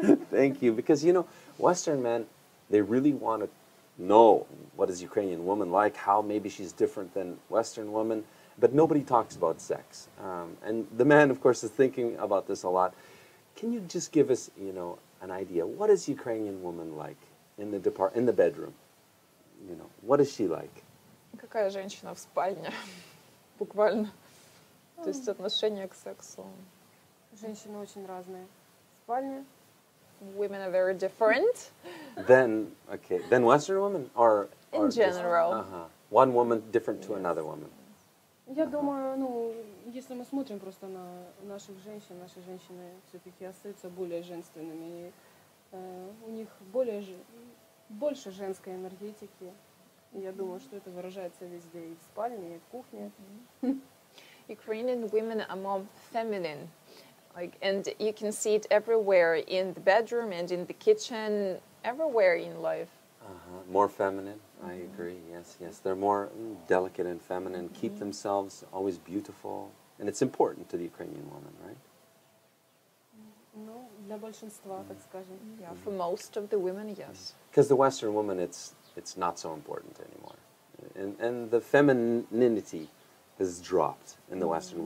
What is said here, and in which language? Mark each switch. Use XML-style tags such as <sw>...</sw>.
<en>Thank you, because you know, Western men, they really want to know what is Ukrainian woman like, how maybe she's different than Western woman, but nobody talks about sex. And the man, of course, is thinking about this a lot. Can you just give us, you know, an idea? What is Ukrainian woman like in the in the bedroom? You know, what is she like?</en> <ru>Какая женщина в спальне? Буквально. То есть отношение к сексу. Женщины очень разные. В спальне.</ru> <en>Women are very different. Then, okay. Then Western women are in general. Uh-huh. One woman different to another woman.</en> <ru>Я думаю, ну, если мы смотрим просто на наших женщин, наши женщины все-таки остаются более женственными. И, у них более больше женской энергетики. Я думаю, что это выражается везде, и в спальне, и в кухне.</ru> <en>Ukrainian women are more feminine. Like, and you can see it everywhere, in the bedroom and in the kitchen, everywhere in life. Uh-huh. More feminine, mm-hmm. I agree, yes, yes. They're more delicate and feminine, mm-hmm. keep themselves always beautiful. And it's important to the Ukrainian woman, right?</en> <ru>No, для большинства, так скажем.</ru> <en>Yeah, for most of the women, yes. Because the Western woman, it's not so important anymore. And the femininity has dropped in the Western mm-hmm.</en>